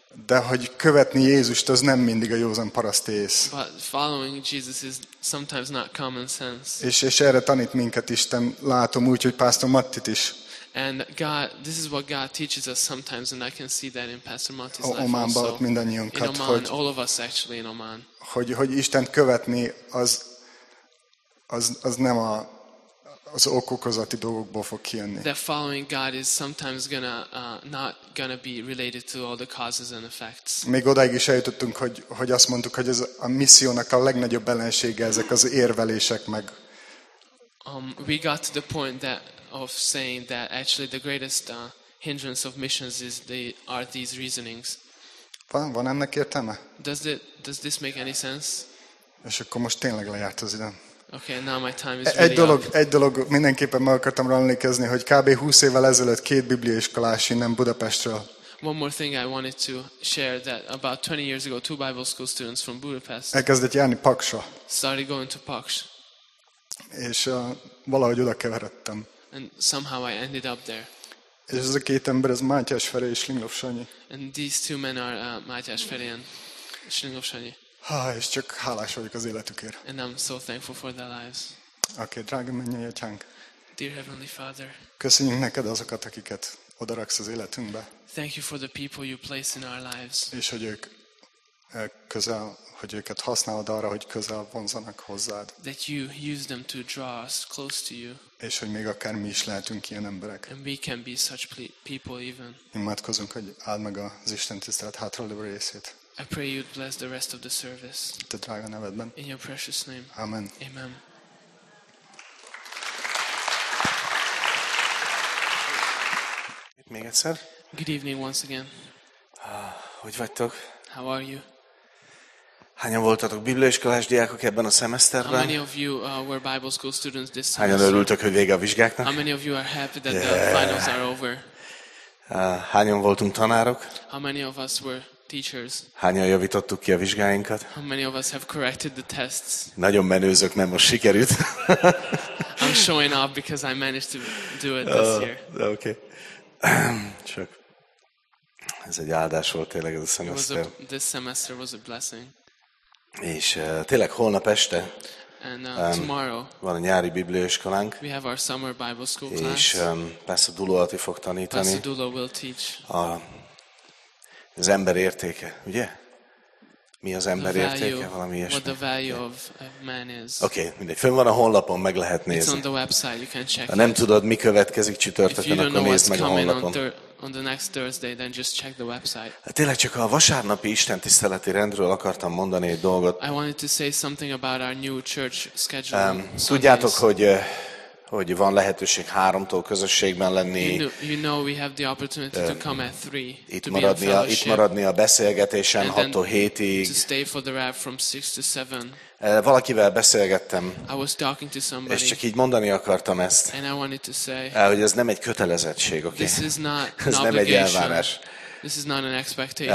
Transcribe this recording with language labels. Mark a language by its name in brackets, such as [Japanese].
[Hungarian] De hogy követni Jézust, az nem mindig a józan paraszti ész. [English] But following Jesus is sometimes not common sense. [Hungarian] És erre tanít minket Isten, látom úgy, hogy Pásztor Mattit is. [English] And God, this is what God teaches us sometimes, and I can see that in Pastor Mati's life [Hungarian] Ománba, [English] also. [Hungarian] Mindannyiunkat, [English] in Oman, [Hungarian] hogy, [English] all of us actually in Oman. [Hungarian] Hogy Isten követni az nem az okokozati dolgokból fog kijönni. [English] That following God is sometimes gonna not gonna be related to all the causes and effects. [Hungarian] Még odáig is eljutottunk, hogy azt mondtuk, hogy ez a missziónak a legnagyobb ellensége, ezek az érvelések meg. [English] We got to the point that of saying that actually the greatest hindrance of missions is are these reasonings. [Hungarian] Van ennek értelme? [English] Does this make any sense? [Hungarian] És akkor most tényleg lejárt az időm. [English] Okay, now my time is really [Hungarian] egy dolog mindenképpen meg akartam emlékezni, hogy kb. 20 évvel ezelőtt két bibliaiskolás innen Budapestről. [English] One more thing I wanted to share that about 20 years ago two Bible school students from Budapest. [Hungarian] Elkezdett járni Paksra. [English] Started going to Paks. [Hungarian] És valahogy oda keveredtem. [English] And somehow I ended up there. [Hungarian] És ez a két ember, ez Mátyás Feri és Slinglov Sanyi. [English] And these two men are Mátyás Feri and Slinglov Sanyi. [Hungarian] És csak hálás vagyok az életükért. [English] And I'm so thankful for their lives. [Hungarian] Okay, drága mennyei atyánk. [English] Dear Heavenly Father. [Hungarian] Köszönjük neked azokat, akiket odaraksz az életünkbe. [English] Thank you for the people you place in our lives. [Hungarian] És hogy ők közel, hogy őket használod arra, hogy közel vonzanak hozzád. [English] That you use them to draw us close to you. [Hungarian] És hogy még akár mi is lehetünk ilyen emberek. [English] And we can be such people even. [Hungarian] Imádkozunk, hogy áld meg az Isten tisztelet hátralévő részét. [English] I pray you'd bless the rest of the service. [Hungarian] Te drága nevedben. [English] In your precious name. [Hungarian] Amen. [English] Amen. [Hungarian] Még egyszer. [English] Good evening once again. [Hungarian] Hogy vagytok? [English] How are you? [Hungarian] Hányan voltatok bibliaiskolás diákok ebben a szemeszterben? [English] How many of you were Bible school students this semester? [Hungarian] Hányan örültök, hogy vége a vizsgáknak? [English] How many of you are happy that the finals are over? [Hungarian] Hányan voltunk tanárok? [English] How many of us were teachers? [Hungarian] Hányan javítottuk ki a vizsgáinkat? [English] How many of us have corrected the tests? [Hungarian] Nagyon menőzök, mert most sikerült. [English] I'm showing off because I managed to do it this year. Okay. [Hungarian] Csak ez egy áldás volt tényleg ez a szemeszter. [English] This semester was a blessing. [Hungarian] És tényleg holnap este [English] and, tomorrow, [Hungarian] van a nyári bibliaiskolánk, [English] we have our summer Bible school class. [Hungarian] És Pastor Dulo Ati fog tanítani. [English] Pastor Dulo will teach. [Hungarian] Az ember értéke, ugye? Mi az ember [English] value, [Hungarian] értéke? Valami ilyesmi. [English] What the value of man is. [Hungarian] Okay, mindegy. Fönn van a honlapon, meg lehet nézni. [English] It's on the website, you can check it. [Hungarian] Ha nem tudod, mi következik csütörtökön, akkor nézd meg a honlapon. [English] On the next Thursday, then just check the website. [Hungarian] Tényleg csak a vasárnapi istentiszteleti rendről akartam mondani egy dolgot. [English] I wanted to say something about our new church schedule. [Hungarian] Tudjátok, hogy hogy van lehetőség háromtól közösségben lenni. [English] You know we have the opportunity to come at 3. [Hungarian] Itt maradni a beszélgetésen 6-tól 7-ig. [English] To stay for the wrap from 6 to 7. [Hungarian] Valakivel beszélgettem. [English] I was talking to somebody. [Hungarian] És csak így mondani akartam ezt. [English] And I wanted to say. [Hungarian] Hogy ez nem egy kötelezettség, oké. [English] Okay? This is not an obligation. [Hungarian] Ez nem egy elvárás. [English] This is not an expectation.